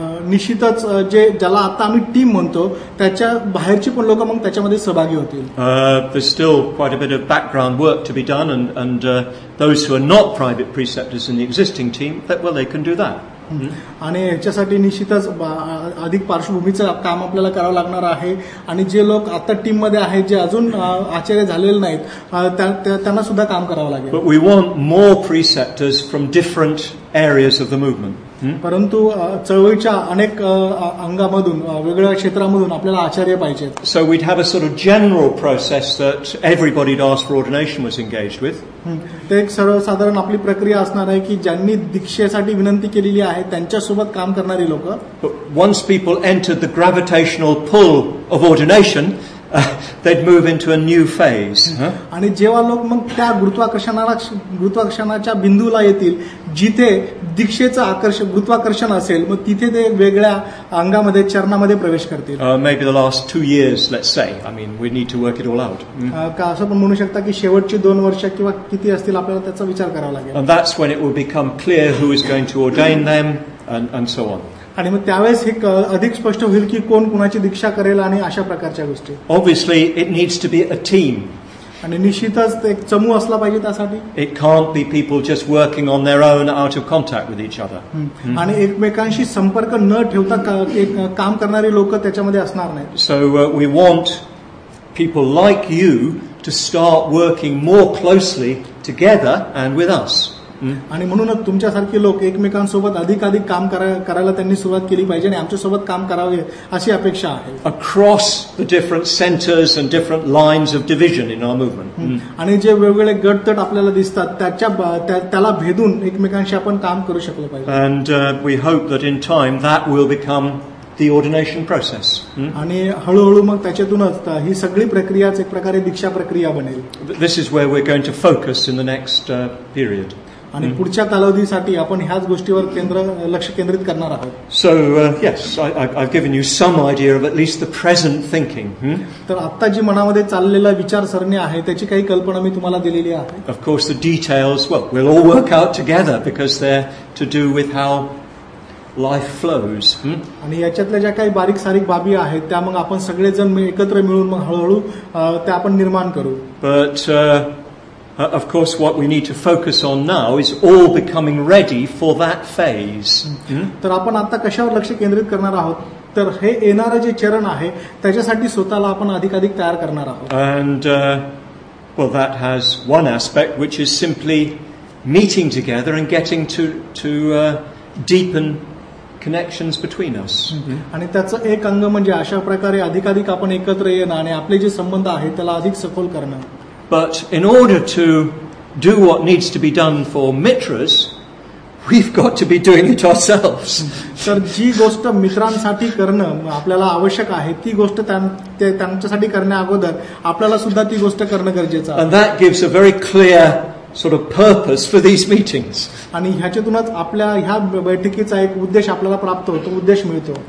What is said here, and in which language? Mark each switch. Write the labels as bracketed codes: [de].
[mr] निश्चितच जे ज्याला आता आम्ही टीम म्हणतो त्याच्या बाहेरची पण लोक मग त्याच्यामध्ये सहभागी होतील. [en] There's still quite a bit of background work to be done and those who are not private preceptors in the existing team that well they can do that. [mr] आणि याच्यासाठी निश्चितच अधिक पार्श्वभूमीचं काम आपल्याला करावं लागणार आहे. आणि जे लोक आता टीम मध्ये आहेत जे अजून आचार्य झालेले नाहीत त्यांना सुद्धा काम करावं लागेल. [en] But we want more preceptors from different areas of the movement. [mr] परंतु चळवळीच्या अनेक अंगामधून, वेगवेगळ्या क्षेत्रामधून आपल्याला आचार्य पाहिजेत. [en] So we'd have a sort of general process that everybody that asked for ordination was engaged with. [mr] ते एक सर्वसाधारण आपली प्रक्रिया असणार आहे की ज्यांनी दीक्षेसाठी विनंती केलेली आहे त्यांच्यासोबत काम करणारी लोक. [en] Once people entered the gravitational pull of ordination, they'd move into a new phase. [mr] आणि जेव्हा लोक मग त्या गुरुत्वाकर्षणाच्या बिंदूला येतील जिथे दीक्षेचं आकर्षण गुरुत्वाकर्षण असेल मग तिथे ते वेगळ्या अंगामध्ये चरणामध्ये प्रवेश करतील. [en] Maybe the last 2 years, let's say. I mean, we need to work it all out. [mr] का असं पण म्हणू शकता की शेवटची 2 वर्ष किंवा किती असतील आपल्याला त्याचा विचार करावा लागेल. [en] And that's when it will become clear who is going to ordain them and so on. [mr] आणि मग त्यावेळेस हे अधिक स्पष्ट होईल की कोण कुणाची दीक्षा करेल आणि अशा प्रकारच्या गोष्टी. [en] Obviously, it needs to be a team. [mr] आणि निश्चितच एक चमू असला पाहिजे त्यासाठी. [en] It can't be people just working on their own out of contact with each other. [mr] आणि एकमेकांशी संपर्क न ठेवता एक काम करणारे लोक त्याच्यामध्ये असणार नाही. [en] So we want people like you to start working more closely together and with us. [mr] आणि म्हणूनच तुमच्यासारखे लोक एकमेकांसोबत अधिकाधिक काम करायला त्यांनी सुरुवात केली पाहिजे आणि आमच्यासोबत काम करावे अशी अपेक्षा आहे. [en] Across the different centers and different lines of division in our movement. [mr] आणि जे वेगवेगळे गटतट आपल्याला दिसतात त्याच्या त्याला भेदून एकमेकांशी आपण काम करू शकलो पाहिजे. [en] And we hope that in time that will become the ordination process. [mr] आणि हळूहळू मग त्याच्यातूनच ही सगळी प्रक्रियाच एक प्रकारे दीक्षा प्रक्रिया बनेल. [en] This is where we're going to focus in the next period. [mr] आणि पुढच्या कालावधीसाठी आपण ह्याच गोष्टीवर लक्ष केंद्रित करणार आहोत. [en] So yes, I given you some idea of at least the present thinking. [mr] तर आता जी मनामध्ये चाललेला विचारसरणी आहे त्याची काही कल्पना मी तुम्हाला दिलेली आहे. [en] Of course the details will all work out together because they are to do with how life flows. [mr] आणि याच्यातल्या ज्या काही बारीक सारीक बाबी आहेत त्या मग आपण सगळेजण एकत्र मिळून मग हळूहळू ते आपण निर्माण करू. [en] But of course what we need to focus on now is all becoming ready for that phase. [mr] तर आपण आता कशावर लक्ष केंद्रित करणार आहोत तर हे येणारे जे चरण आहे त्याच्यासाठी स्वतःला आपण अधिकाधिक तयार करणार आहोत. [en] And well, that has one aspect which is simply meeting together and getting to deepen connections between us. [mr] आणि त्याचं एक अंग म्हणजे अशा प्रकारे अधिकाधिक आपण एकत्र येणं आणि आपले जे संबंध आहे त्याला अधिक सखोल करणं. [en] But in order to do what needs to be done for Mitras, we've got to be doing it ourselves. [mr] तर जी गोष्ट मित्रांसाठी करणं आपल्याला आवश्यक आहे ती गोष्ट त्यांच्यासाठी करण्या अगोदर आपल्याला सुद्धा ती गोष्ट करणं गरजेचं आहे. [en] And that gives a very clear sort of purpose for these meetings. [mr] आणि ह्याच्यातूनच आपल्या ह्या बैठकीचा एक उद्देश आपल्याला प्राप्त होतो, उद्देश मिळतो.